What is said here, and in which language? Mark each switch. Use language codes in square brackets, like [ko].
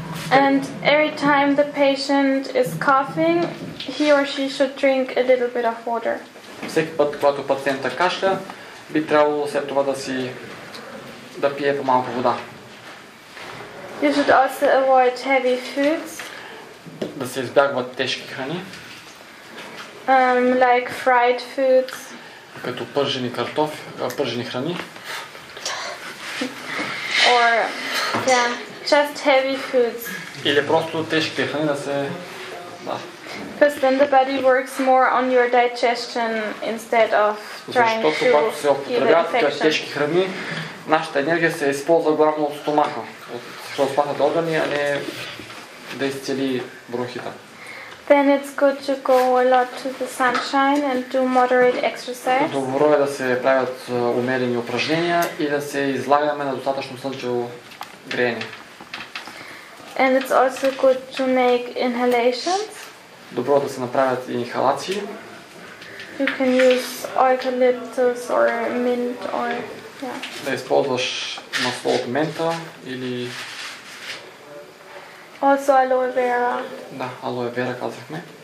[en] And every time the patient is coughing, he or she should drink a little bit of water. [bg] Всеки път, когато пациента кашля, би трябвало след това да пие по-малко вода. [en] You should also avoid heavy foods. [bg] Да се избягват тежки храни. [en] Like fried foods. [bg] Като пържени картофи, пържени храни. [en] Or yeah, just heavy foods. [bg] Или просто тежки храни да се. Да. [en] Because then the body works more on your digestion instead of trying to heal the infection. [bg] Защото когато се употребяват тежки храни, нашата енергия се използва главно от стомаха. Защото спахат органи, а не да изцели бронхита. [en] Then it's good to go a lot to the sunshine and do moderate exercise. [bg] Добро е да се правят умерени упражнения и да се излагаме на достатъчно слънчево греене. [en] And it's also good to make inhalations. [bg] Добро е да се направят инхалации. [en] You can use eucalyptus or mint or yeah. [bg] Да използваш масло от мента или. [en] Also aloe vera. [bg] Да, aloe vera казахме.